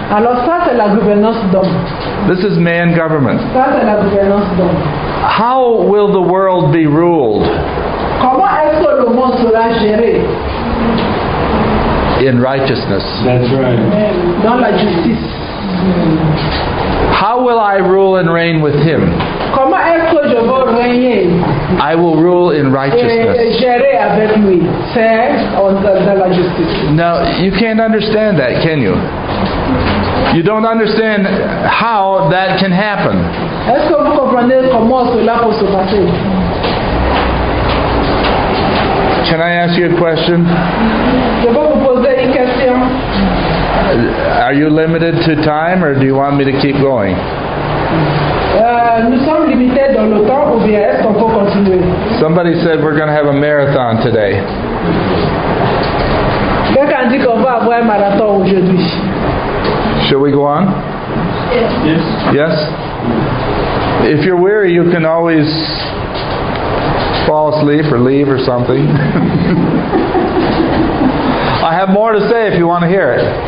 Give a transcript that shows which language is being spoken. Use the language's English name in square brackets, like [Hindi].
[French] Alors ça c'est la gouvernance d'homme. [English] This is man government. [French] Ça c'est la gouvernance d'homme. [English] How will the world be ruled? [French] Comment est-ce que le monde sera géré? [English] In righteousness. That's right. [French] Dans la justice. [English] How will I rule and reign with him? [French] Comment est-ce que je vais régner? [English] I will rule in righteousness. [French] Et gérer avec lui, c'est dans la justice. [English] Now, you can't understand that, can you? You don't understand how that can happen. [French] Est-ce que vous comprenez comment cela peut se passer? [English] Can I ask you a question? [French] Je vais vous poser une question. [English] Are you limited to time, or do you want me to keep going? [French] Nous sommes limités dans le temps, ou bien est-ce qu'on peut continuer? [English] Somebody said we're going to have a marathon today. [French] Quelqu'un dit qu'on va avoir un marathon aujourd'hui. [English] Shall we go on? Yes. Yes. If you're weary, you can always fall asleep or leave or something. I have more to say if you want to hear it.